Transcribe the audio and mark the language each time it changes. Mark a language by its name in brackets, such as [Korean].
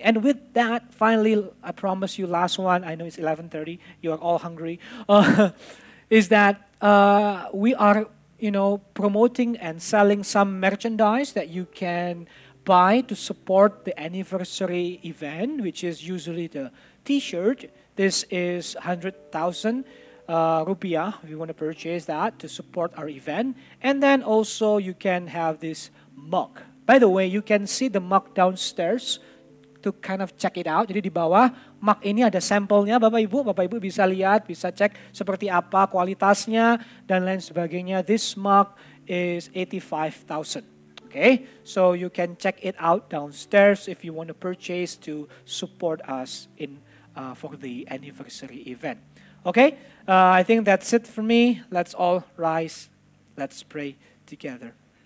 [English] And with that, finally, I promise you, last one, I know it's 11:30, you are all hungry, is that we are, you know, promoting and selling some merchandise that you can buy to support the anniversary event, which is usually the T-shirt. This is 100,000. Rupiah, if you want to purchase that to support our event. And then also you can have this mug. By the way, you can see the mug downstairs to kind of check it out. [Indonesian] Jadi di bawah mug ini ada sampelnya, Bapak Ibu bisa lihat, bisa cek seperti apa kualitasnya dan lain sebagainya. [English] This mug is 85,000. Okay, so you can check it out downstairs if you want to purchase to support us in for the anniversary event. Okay, I think that's it for me. Let's all rise. Let's pray together.